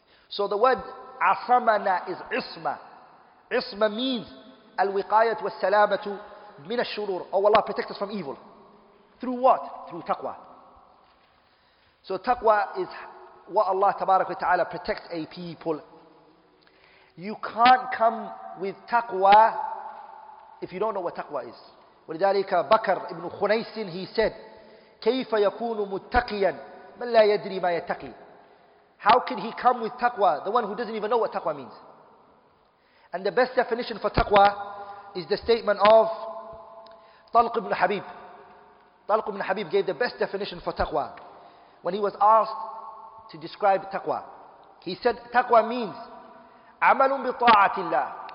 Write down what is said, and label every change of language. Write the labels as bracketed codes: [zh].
[en] So the word asamana is isma. Isma means al-wiqayat wa salamatu min ash-shurur. Oh Allah, protect us from evil. Through what? Through taqwa. So taqwa is what Allah tabarak wa ta'ala protects a people. You can't come with taqwa if you don't know what taqwa is. [ar] ولذلك Bakr ibn Khunaysin, [en] he said, [ar] كيف يكون متقيا من لا يدري ما يتقي. [en] How can he come with taqwa, the one who doesn't even know what taqwa means? And the best definition for taqwa is the statement of Talq ibn Habib. Talq ibn Habib gave the best definition for taqwa. When he was asked to describe taqwa, he said, taqwa means amalun bi ta'ati Allah.